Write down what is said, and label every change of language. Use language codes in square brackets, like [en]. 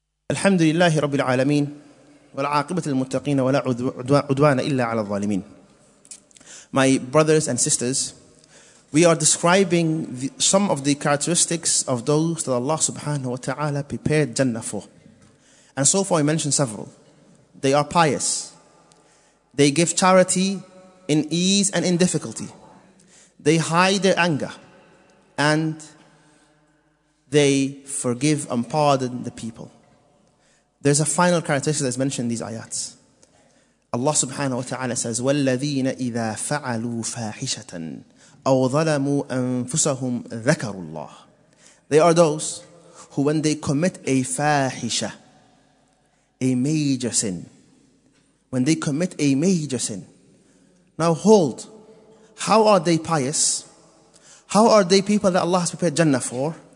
[ar] الحمد لله رب العالمين والعاقبة للمتقين ولا عدوان إلا على الظالمين. [en] My brothers and sisters, we are describing some of the characteristics of those that Allah subhanahu wa ta'ala prepared Jannah for. And so far we mentioned several. They are pious. They give charity in ease and in difficulty. They hide their anger. And they forgive and pardon the people. There's a final characteristic that's mentioned in these ayats. Allah subhanahu wa ta'ala says, [ar] وَالَّذِينَ إِذَا فَعَلُوا فَاحِشَةً أَوْ ظَلَمُوا أَنفُسَهُمْ ذَكَرُوا اللَّهِ. [en] They are those who when they commit a fahisha, a major sin, when they commit a major sin. Now hold, how are they pious? How are they people that Allah has prepared Jannah for?